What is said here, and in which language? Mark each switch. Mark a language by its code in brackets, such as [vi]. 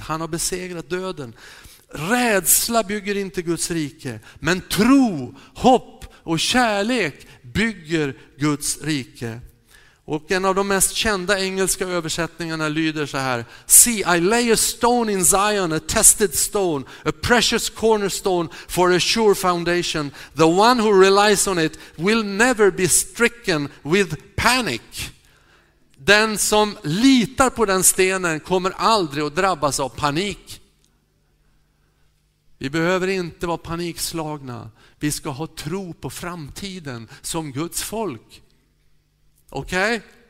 [sv] Han har besegrat döden. Rädsla bygger inte Guds rike, men tro, hopp och kärlek bygger Guds rike. Och en av de mest kända engelska översättningarna lyder så här: [en] See, I lay a stone in Zion, a tested stone, a precious cornerstone for a sure foundation. The one who relies on it will never be stricken with panic. [sv] Den som litar på den stenen kommer aldrig att drabbas av panik. Vi behöver inte vara panikslagna. Vi ska ha tro på framtiden som Guds folk. Okej?